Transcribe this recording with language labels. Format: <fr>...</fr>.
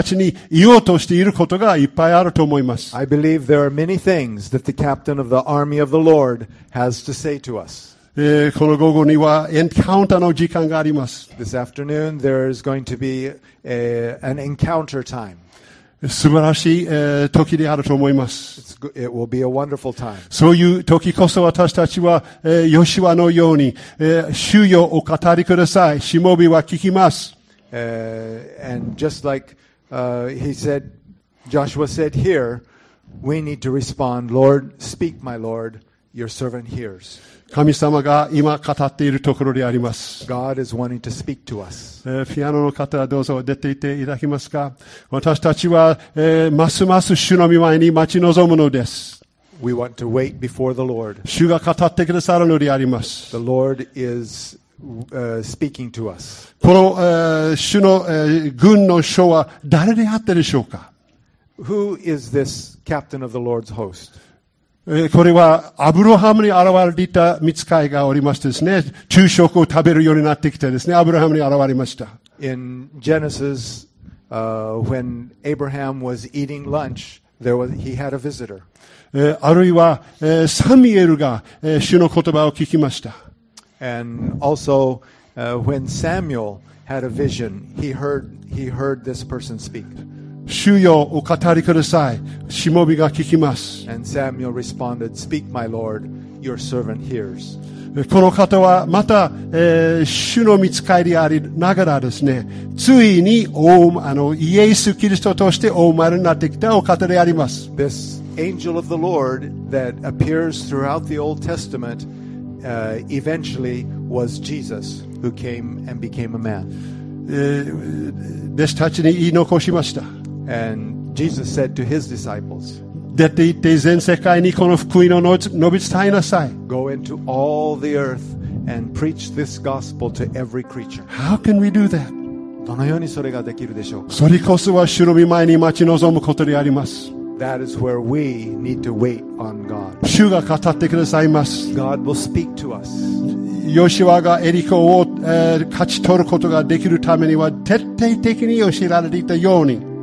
<en>I believe there are many things that the captain of the army of the Lord has to say to us.</en> <ja>この午後にはエンカウンターの時間があります。</ja> <en>This afternoon there is going to be an encounter time.</en> <ja>素晴らしい時であると思います。</ja> <en>It will be a wonderful time.</en> <ja>そういう時こそ私たちは、ヨシュアのように、主よお語りください。しもべは聞きます。</ja> <en>And just like, he said, Joshua said here, we need to respond, Lord, speak, my Lord, your servant hears.</en> <ja>神様が今語っているところであります。</ja> <en>God is wanting to speak to us.</en> <ja>ピアノの方はどうぞ出ていっていただけますか。私たちは、ますます主の御前に待ち望むのです。</ja> <en>We want to wait before the Lord.</en> <ja>主が語ってくださるのであります。</ja> <en>The Lord is, speaking to us.</en> <ja>この、主の、軍の主は誰であったでしょうか。</ja> <en>Who is this captain of the Lord's host?</en> <ja>これはアブラハムに現れた御使いがおりましてですね、昼食を食べるようになってきてですね、アブラハムに現れました。</ja> <en>In Genesis, when Abraham was eating lunch, he had a visitor.</en> <ja>あるいは、サミエルが、主の言葉を聞きました。</ja> <en>And also, when Samuel had a vision, he heard this person speak.</en> <ja>主よお語りください。しもべが聞きます。</ja> <en>And Samuel responded, Speak, my Lord, your servant hears.</en> <ja>この方はまた、主の御使いでありながらですね、ついにイエス・キリストとしてお生まれになってきたお方であります。</ja> <en>This angel of the Lord that appears throughout the Old Testament, eventually was Jesus who came and became a man.</en> <ja>弟子たちに言い残しました。</ja> <en>And Jesus said to his disciples,</en> <ja>出て行って全世界にこの福音を述べ伝えなさい。</ja> <en>Go into all the earth and preach this gospel to every creature. How can we do that?</en> <ja>どのようにそれができるでしょうか。それこそは主の御前に待ち望むことであります。</ja> <en>That is where we need to wait on God.</en> <ja>主が語ってくださいます。</ja> <en>God will speak to us.</en> <ja>ヨシュアがエリコを、勝ち取ることができるためには徹底的に教えられていたように。</ja>